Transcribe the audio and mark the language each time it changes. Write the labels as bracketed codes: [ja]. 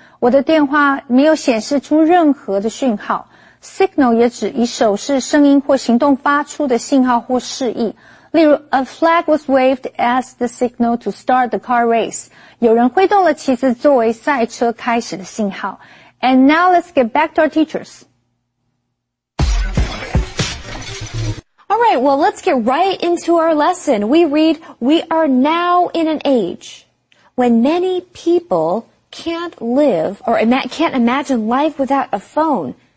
[zh] 我的电话没有显示出任何的讯号。Signal 也指以手势、声音或行动发出的信号或示意。例如 [en] a flag was waved as the signal to start the car race. [zh] 有人挥动了旗子作为赛车开始的信号。 [en] And now let's get back to our teachers. All right, well, let's get right into our lesson. We read, we are now in an age when many people can't live or can't imagine life without a phone.